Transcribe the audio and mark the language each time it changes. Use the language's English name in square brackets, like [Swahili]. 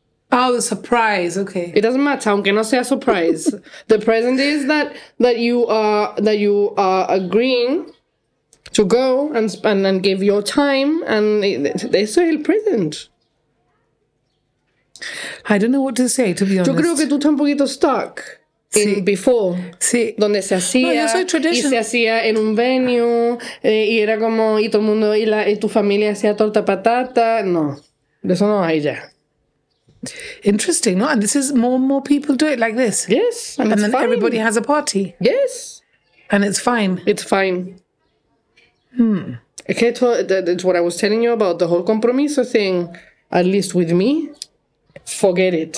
[English] Oh, the surprise, okay. It doesn't matter, [Spanish] aunque no sea [English] surprise. The present is that you are agreeing to go and give your time, and [Spanish] eso es el [English] present. I don't know what to say, to be honest. [Spanish] Yo creo que tú estás un poquito [English] stuck. before, [Spanish] donde se hacía, no, y se hacía en un venue, y era como, y todo el mundo, y tu familia hacía torta patata, no, de eso no hay ya. [English] Interesting, no? And this is more people do it like this. Yes, and then fine. Everybody has a party. Yes. And it's fine. It's fine. Hmm. Okay, so that's what I was telling you about, the whole compromiso thing, at least with me, forget it.